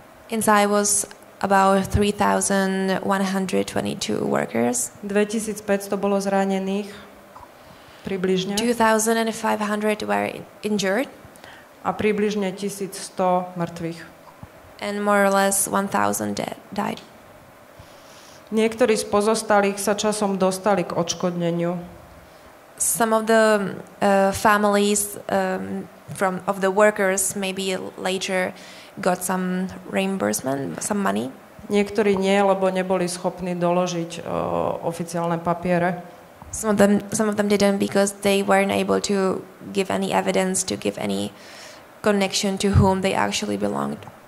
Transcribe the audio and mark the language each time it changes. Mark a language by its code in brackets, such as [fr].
[en] Inside was about 3122 workers. [sk] 2500 bolo zranených približne. [en] 2500 were injured. [sk] A približne 1100 mŕtvych. [en] And more or less 1000 died. [sk] Niektorí z pozostalých sa časom dostali k odškodneniu. [en] Some of the families from of the workers maybe later got some reimbursement, some money. [sk] Niektorí nie, lebo neboli schopní doložiť oficiálne papiere. [en] Some of them didn't because they weren't able to give any evidence, to give any connection to whom they actually belonged.